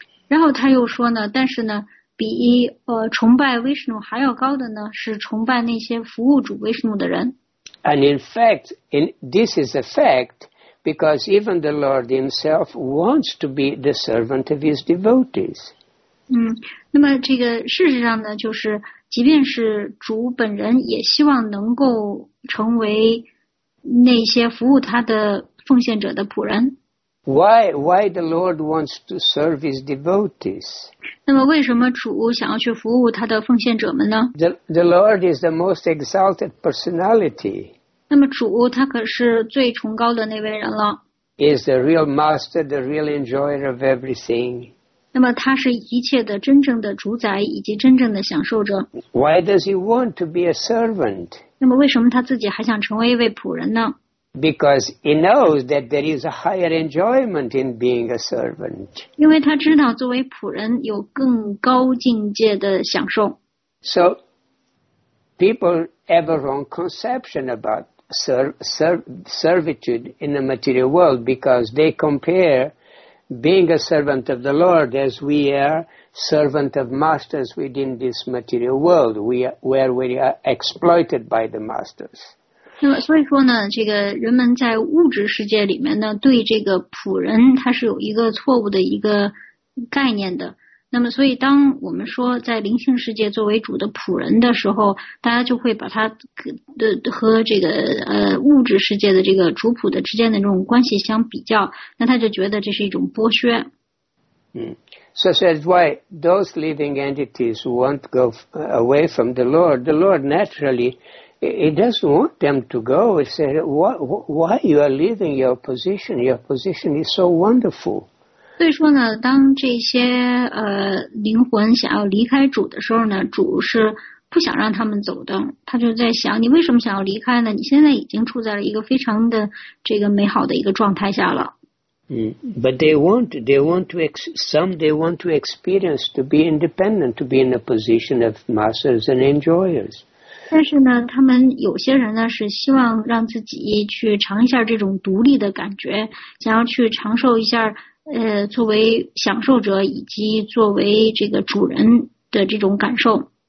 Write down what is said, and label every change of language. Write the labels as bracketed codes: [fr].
[zh] 然后他又说呢，但是呢，比崇拜 Vishnu 还要高的呢，是崇拜那些服务主 Vishnu 的人。 [en] And in fact, in this is a fact, because even the Lord himself wants to be the servant of his devotees. [zh] 那么这个事实上呢，就是即便是主本人也希望能够成为那些服务他的奉献者的仆人。 [en] Why the Lord wants to serve his devotees? [zh] 那么为什么主想要去服务他的奉献者们呢？ [en] The Lord is the most exalted personality. [zh] 那么主他可是最崇高的那位人了。 [en] Is the real master, the real enjoyer of everything. [zh] 那么他是一切的真正的主宰以及真正的享受者。 [en] Why does he want to be a servant? [zh] 那么为什么他自己还想成为一位仆人呢？ [en] Because he knows that there is a higher enjoyment in being a servant. [zh] 因为他知道作为仆人有更高境界的享受。 [en] So, people have a wrong conception about servitude in the material world because they compare being a servant of the Lord as we are servant of masters within this material world, where we are exploited by the masters. [zh] 那么所以说呢，这个人们在物质世界里面呢，对这个仆人他是有一个错误的一个概念的。那么所以当我们说在灵性世界作为主的仆人的时候，大家就会把他和这个物质世界的这个主仆的之间的这种关系相比较，那他就觉得这是一种剥削。 [en] So that's why those living entities who won't go away from the Lord, the Lord naturally. It doesn't want them to go. He said, why you are leaving your position? Your position is so wonderful. [zh] 所以说呢，当这些灵魂想要离开主的时候呢，主是不想让他们走的。他就在想，你为什么想要离开呢？你现在已经处在了一个非常的这个美好的一个状态下了。 [en] But they want to experience to be independent, to be in the position of masters and enjoyers. [zh] 但是呢，他们有些人呢是希望让自己去尝一下这种独立的感觉，想要去尝受一下作为享受者以及作为这个主人的这种感受。